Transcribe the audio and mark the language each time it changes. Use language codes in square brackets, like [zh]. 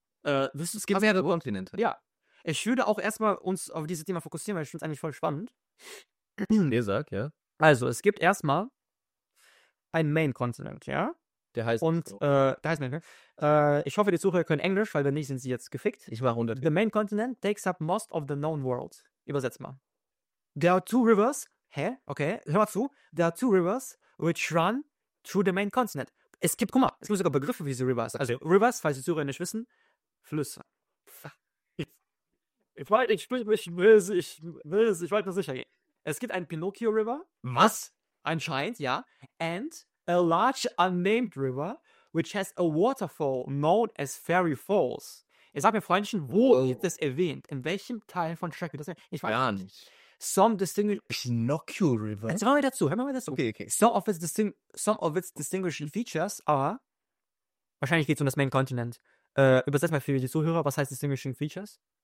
[de] Es gibt mehrere Kontinente. Ja. Ich würde auch erstmal uns auf dieses Thema fokussieren, weil ich finde es eigentlich voll spannend. Ihr sagt, ja. Also, es gibt erstmal ein Main-Kontinent, ja? Der heißt... Und, so. Der heißt Main-Kontinent. Ich hoffe, die Zuhörer können Englisch, weil wenn nicht, sind sie jetzt gefickt. Ich mache 100. [en] The Main-Kontinent takes up most of the known world. [de] Übersetzt mal. [en] There are two rivers... [de] Hä? Okay, hör mal zu. [en] There are two rivers which run through the Main-Kontinent. [de] Es gibt, guck mal, es gibt sogar Begriffe für diese Rivers. Also, Rivers, falls die Zuhörer nicht wissen, Flüsse. Ich weiß nur sicher gehen. Es gibt einen Pinocchio River. Was? Anscheinend, ja. [en] And a large unnamed river, which has a waterfall known as Fairy Falls. [de] Ich sag mir, Freundchen, wo wird das erwähnt? In welchem Teil von Shrek? Das heißt, ich weiß gar nicht. [en] Some distinguished... [de] Pinocchio River? Jetzt hören wir dazu. Hören wir mal dazu. Okay, okay. [en] Some of its distinguishing features are... [de] Wahrscheinlich geht es um das Main Continent. Übersetzt mal für die Zuhörer, was heißt Distinguishing Features?